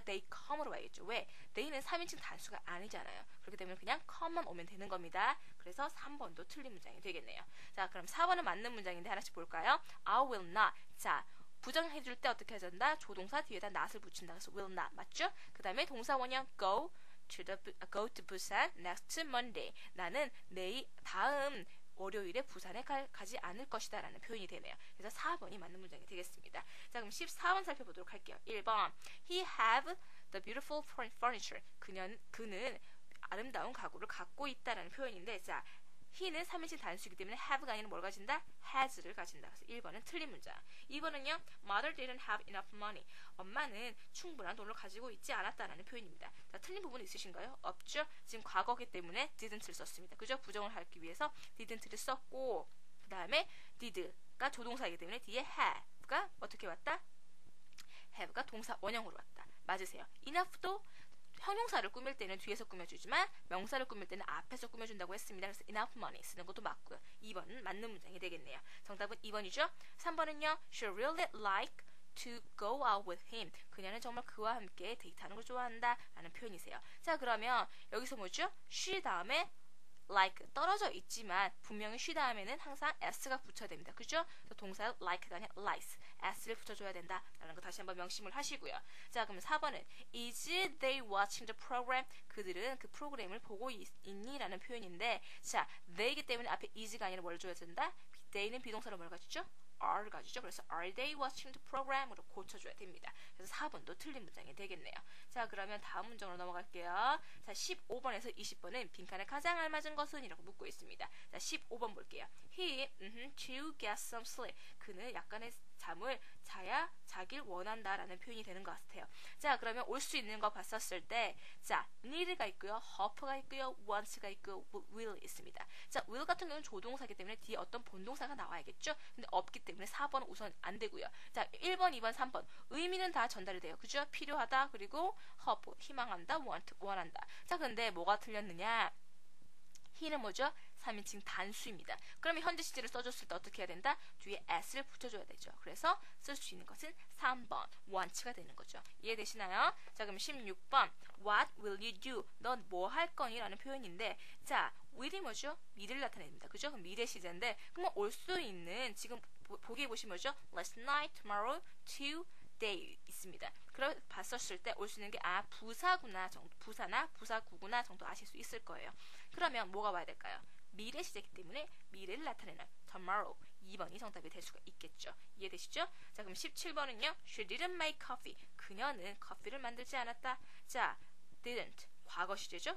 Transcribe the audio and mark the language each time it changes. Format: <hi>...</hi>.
<en>They come</en> <ko>으로 와야겠죠. 왜? they는 3인칭 단수가 아니잖아요. 그렇기 때문에 그냥 come만 오면 되는 겁니다. 그래서 3번도 틀린 문장이 되겠네요. 자, 그럼 4번은 맞는 문장인데 하나씩 볼까요?</ko> <en>I will not.</en> <ko>자, 부정해줄 때 어떻게 해야 된다? 조동사 뒤에다 not을 붙인다. 그래서 will not 맞죠? 그 다음에 동사 원형</ko> <en>go to Busan next Monday.</en> <ko>나는 다음 월요일에 부산에 가지 않을 것이다 라는 표현이 되네요. 그래서 4번이 맞는 문장이 되겠습니다. 자, 그럼 14번 살펴보도록 할게요.</ko> <en>1번 He have the beautiful furniture.</en> <ko>그는 아름다운 가구를 갖고 있다 라는 표현인데 자, he는 3인칭 단수이기 때문에 have가 아니라 뭘 가진다? has를 가진다. 그래서 1번은 틀린 문장. 2번은요.</ko> <en>mother didn't have enough money.</en> <ko>엄마는 충분한 돈을 가지고 있지 않았다라는 표현입니다. 자, 틀린 부분 있으신가요? 없죠? 지금 과거기 때문에 didn't를 썼습니다. 그죠? 부정을 하기 위해서 didn't를 썼고 그 다음에 did가 조동사이기 때문에 뒤에 have가 어떻게 왔다? have가 동사 원형으로 왔다. 맞으세요. enough도 형용사를 꾸밀 때는 뒤에서 꾸며주지만 명사를 꾸밀 때는 앞에서 꾸며준다고 했습니다. 그래서 enough money 쓰는 것도 맞고요. 2번은 맞는 문장이 되겠네요. 정답은 2번이죠. 3번은요.</ko> <en>She really like to go out with him.</en> <ko>그녀는 정말 그와 함께 데이트하는 걸 좋아한다 라는 표현이세요. 자, 그러면 여기서 뭐죠? She 다음에 like 떨어져 있지만 분명히 she 다음에는 항상 s가 붙여야 됩니다. 그죠? 그래서 동사 like가 아니라 likes s를 붙여줘야 된다라는 거 다시 한번 명심을 하시고요. 자, 그럼 4번은</ko> <en>is they watching the program?</en> <ko>그들은 그 프로그램을 보고 있니? 라는 표현인데 자, they이기 때문에 앞에 is가 아니라 뭘 줘야 된다? they는 비동사로 뭘 가지죠? are 가지죠. 그래서</ko> <en>are they watching the program</en> <ko>으로 고쳐줘야 됩니다. 그래서 4번도 틀린 문장이 되겠네요. 자, 그러면 다음 문장으로 넘어갈게요. 자, 15번에서 20번은 빈칸에 가장 알맞은 것은? 이라고 묻고 있습니다. 자, 15번 볼게요.</ko> <en>He, to get some sleep.</en> <ko>그는 약간의 잠을 자길 원한다 라는 표현이 되는 것 같아요. 자, 그러면 올 수 있는 거 봤었을 때 자, need가 있고요. hope가 있고요. want가 있고요. will 있습니다. 자, will 같은 경우는 조동사이기 때문에 뒤에 어떤 본동사가 나와야겠죠? 근데 없기 때문에 4번 우선 안 되고요. 자, 1번, 2번, 3번 의미는 다 전달이 돼요. 그죠? 필요하다. 그리고 hope, 희망한다. want, 원한다. 자, 근데 뭐가 틀렸느냐? he는 뭐죠? 3인칭 단수입니다. 그러면 현재 시제를 써줬을 때 어떻게 해야 된다? 뒤에 s를 붙여줘야 되죠. 그래서 쓸 수 있는 것은 3번, want가 되는 거죠. 이해되시나요? 자, 그럼 16번,</ko> <en>what will you do?</en> <ko>넌 뭐 할 거니? 라는 표현인데 자, will이 뭐죠? 미래를 나타냅니다. 그죠? 그럼 미래 시제인데 그럼 올 수 있는 지금 보기에 보시면 뭐죠?</ko> <en>last night, tomorrow, today</en> <ko>있습니다. 그럼 봤었을 때 올 수 있는 게 아, 부사구나 정도, 부사나 부사구구나 정도 아실 수 있을 거예요. 그러면 뭐가 와야 될까요? 미래 시제이기 때문에 미래를 나타내는 tomorrow 2번이 정답이 될 수가 있겠죠. 이해되시죠? 자, 그럼 17번은요.</ko> <en>She didn't make coffee.</en> <ko>그녀는 커피를 만들지 않았다. 자, didn't 과거 시제죠.</ko>